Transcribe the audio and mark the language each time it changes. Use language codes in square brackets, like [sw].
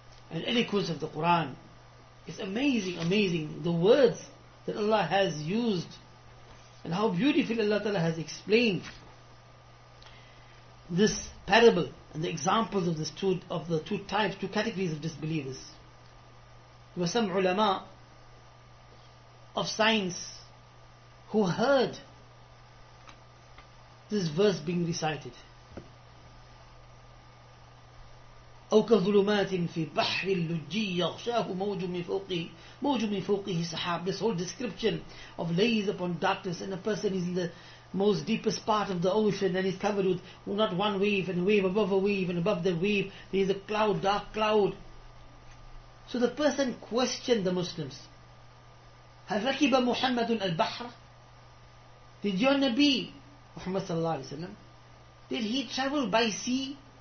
[en] and eloquence of the Quran. It's amazing, amazing the words that Allah has used and how beautifully Allah Ta'ala has explained this parable and the examples of the two categories of disbelievers. There were some ulama of science who heard this verse being recited. [ar] أو كظلمات في بحر اللجي يغشاه موج من فوقه موج من فوقه سحاب. [en] This whole description of lays upon darkness and a person is in the most deepest part of the ocean and is covered with not one wave and wave above a wave and above the wave there is a cloud, dark cloud. So the person questioned the Muslims. [ar] هل ركب محمد البحر؟ [en] Did your Nabi Muhammad sallallahu alaihi wasallam, did he travel by sea?